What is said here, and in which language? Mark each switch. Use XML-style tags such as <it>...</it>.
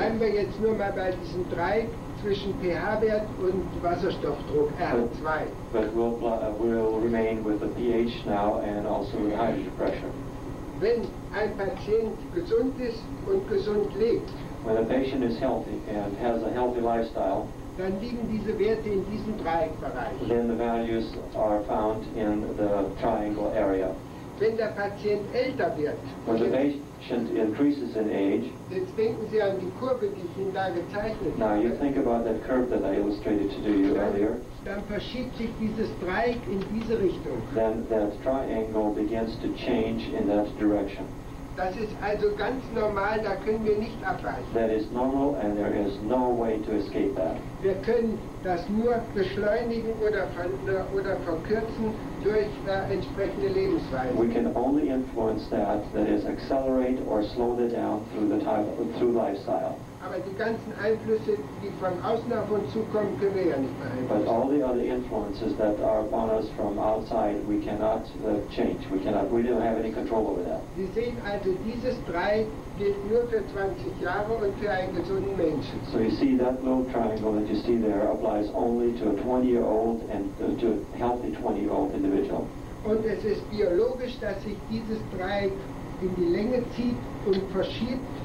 <de>Bleiben wir jetzt nur mal bei diesem Dreieck zwischen pH-Wert und Wasserstoffdruck, R2.</de> <en>But we'll remain with the pH now and also with hydrogen pressure.</en> <de>Wenn ein Patient gesund ist und gesund lebt,</de> <en>when a patient is healthy and has a healthy lifestyle,</en> <de>dann liegen diese Werte in diesem Dreieckbereich.</de> <en>Then the values are found in the triangle area.</en> <de>Wenn der Patient älter wird,</de> <en>when the patient increases in age,</en> <de>jetzt denken Sie an die Kurve, die ich Ihnen da gezeichnet habe.</de> <en>Now you think about that curve that I illustrated to you earlier.</en> <de>Dann verschiebt sich dieses Dreieck in diese Richtung.</de> <en>Then that triangle begins to change in that direction.</en> <de>Das ist also ganz normal, da können wir nicht abweichen.</de> <en>That is normal and there is no way to escape that.</en> <de>Wir können das nur beschleunigen oder verkürzen durch entsprechende Lebensweise.</de> <en>We can only influence that is accelerate or slow it down through lifestyle.</en> <de>Aber die ganzen Einflüsse, die von außen auf uns zukommen, können wir ja nicht beeinflussen.</de> <en>But all the other influences that are upon us from outside, we cannot change. We don't have any control over that.</en> <de>Sie sehen also, dieses Dreieck gilt nur für 20 Jahre und für einen gesunden Menschen.</de> <en>So you see, that little triangle that you see there applies only to a 20-year-old and to a healthy 20-year-old individual.</en> <de>Und es ist biologisch, dass sich dieses Dreieck in die Länge zieht und verschiebt.</de>